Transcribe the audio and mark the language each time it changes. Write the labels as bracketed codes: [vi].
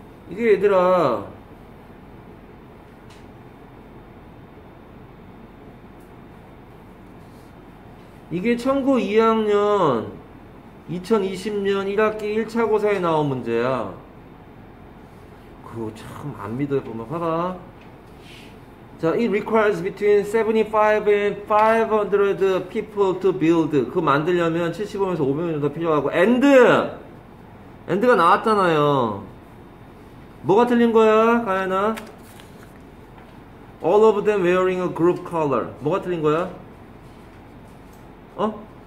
[ko] 이게 얘들아, 이게 청구 2학년 2020년 1학기 1차고사에 나온 문제야. 그거 참 안 믿어요. 보면 봐봐. [en] 자, it requires between 75 and 500 people to build. [ko] 그거 만들려면 75명에서 500명 정도 필요하고. And! And가 나왔잖아요. 뭐가 틀린 거야, 가연아? [en] All of them wearing a group color. [ko] 뭐가 틀린 거야? 어?